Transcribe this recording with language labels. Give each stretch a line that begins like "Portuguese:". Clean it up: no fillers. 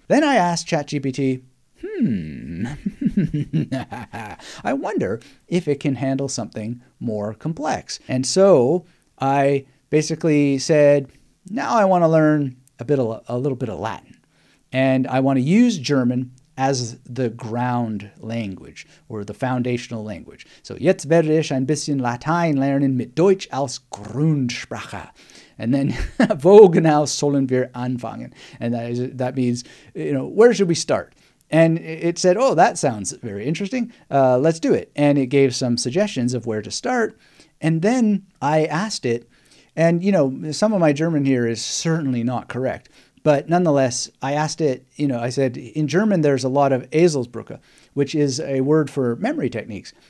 English: Then I asked ChatGPT, I wonder if it can handle something more complex. And so I basically said, now I want to learn a little bit of Latin, and I want to use German as the ground language or the foundational language.
German: So jetzt werde ich ein bisschen Latein lernen mit Deutsch als Grundsprache.
English: And then,
German: wo genau sollen wir anfangen?
English: And that means, you know, where should we start? And it said, oh, that sounds very interesting. Let's do it. And it gave some suggestions of where to start. And then I asked it, and, you know, some of my German here is certainly not correct. But nonetheless, I asked it, you know, I said, in German, there's a lot of Eselsbrücke, which is a word for memory techniques.